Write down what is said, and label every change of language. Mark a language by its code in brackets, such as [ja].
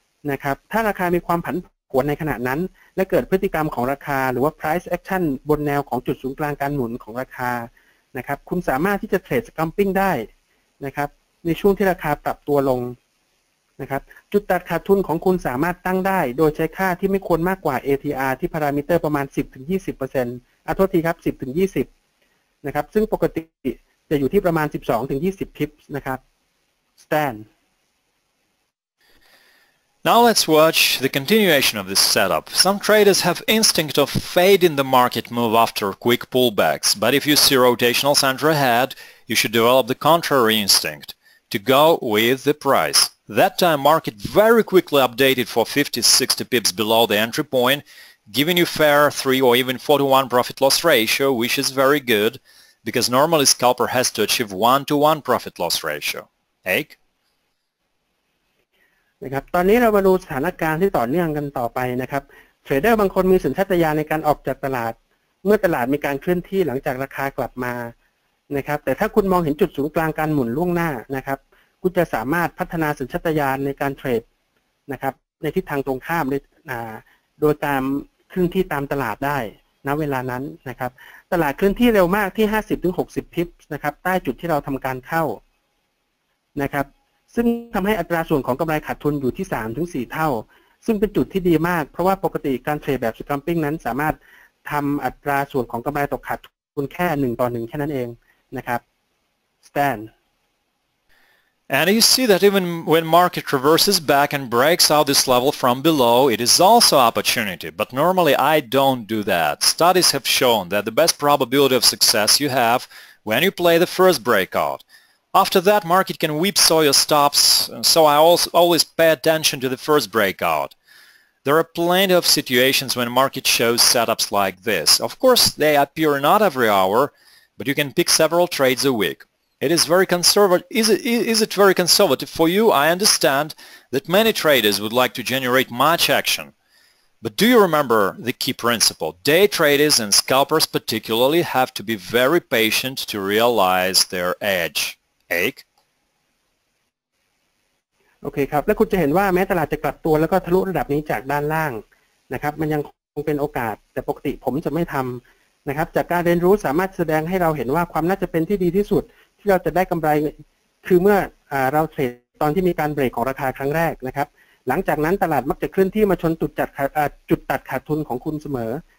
[th] นะครับถ้าราคามีความผันผวนในขณะนั้นและเกิดพฤติกรรมของราคาหรือว่า price action บนแนวของจุดศูนย์กลางการหมุนของราคานะครับคุณสามารถที่จะเทรด scalping ได้นะครับในช่วงที่ราคาปรับตัวลงนะครับจุดตัดขาดทุนของคุณสามารถตั้งได้โดยใช้ค่าที่ไม่ควรมากกว่า ATR ที่พารามิเตอร์ประมาณ 10-20% อาโทษทีครับ 10-20 นะครับซึ่งปกติจะอยู่ที่ประมาณ 12-20 pips นะครับ Stan [en] Now let's watch the continuation of this setup. Some traders have instinct of fading the market move after quick pullbacks, but if you see rotational center ahead, you should develop the contrary instinct, to go with the price. That time market very quickly updated for 50-60 pips below the entry point, giving you fair 3 or even 4-to-1 profit loss ratio, which is very good, because normally scalper has to achieve 1-to-1 profit loss ratio. Ake? [th] นะครับตอนนี้เรามาดูสถานการณ์ที่ต่อเนื่องกันต่อไปนะครับเทรดเดอร์บางคนมีสัญชาตญาณในการออกจากตลาดเมื่อตลาดมีการเคลื่อนที่หลังจากราคากลับมานะครับแต่ถ้าคุณมองเห็นจุดศูนย์กลางการหมุนล่วงหน้านะครับคุณจะสามารถพัฒนาสัญชาตญาณในการเทรดนะครับในทิศทางตรงข้ามโดยตามเคลื่อนที่ตามตลาดได้ณเวลานั้นนะครับตลาดเคลื่อนที่เร็วมากที่ 50-60 พิปนะครับใต้จุดที่เราทำการเข้า นะครับซึ่งทำให้อัตราส่วนของกำไรขาดทุนอยู่ที่ 3-4 เท่าซึ่งเป็นจุดที่ดีมากเพราะว่าปกติการเทรดแบบ scalping นั้นสามารถทำอัตราส่วนของกำไรต่อขาดทุนแค่1-1แค่นั้นเองนะครับ Stan [en] And you see that even when market reverses back and breaks out this level from below it is also opportunity but normally I don't do that Studies have shown that the best probability of success you have when you play the first breakoutAfter that, market can whipsaw your stops, so I always pay attention to the first breakout. There are plenty of situations when market shows setups like this. Of course, they appear not every hour, but you can pick several trades a week. It is very conservative. Is it very conservative for you? I understand that many traders would like to generate much action. But do you remember the key principle? Day traders and scalpers particularly have to be very patient to realize their edge. [th] โอเคครับและคุณจะเห็นว่าแม้ตลาดจะกลับตัวแล้วก็ทะลุระดับนี้จากด้านล่างนะครับมันยังคงเป็นโอกาสแต่ปกติผมจะไม่ทำนะครับจากการเรียนรู้สามารถแสดงให้เราเห็นว่าความน่าจะเป็นที่ดีที่สุดที่เราจะได้กำไรคือเมื่อเราเทรดตอนที่มีการเบรกของราคาครั้งแรกนะครับหลังจากนั้นตลาดมักจะเคลื่อนที่มาชนจุดตัดขาดทุนของคุณเสมอ